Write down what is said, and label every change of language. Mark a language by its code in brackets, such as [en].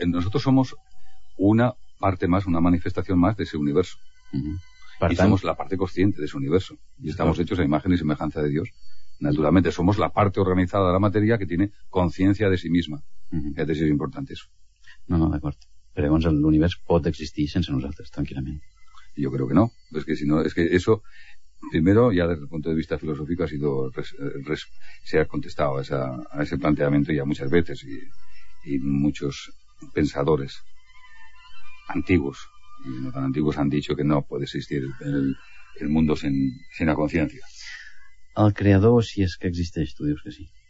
[es] Nosotros somos una parte más, una manifestación más de ese universo. Uh-huh. Y somos la parte consciente de ese universo. Y estamos hechos a imagen y semejanza de Dios. Naturalmente, somos la parte organizada de la materia que tiene conciencia de sí misma. Uh-huh. Es decir, es importante eso. [ca] No, d'acord. Però llavors l'univers pot existir sense nosaltres, tranquil·lament. Jo crec que no. És que, si no, és que [es] eso, primero, ya desde el punto de vista filosófico ha sido, se ha contestado a ese planteamiento ya muchas veces, y muchos pensadores antiguos, y no tan antiguos, han dicho que no puede existir el mundo sin la conciencia. [ca] El creador, si és que existeix, tu dius que sí.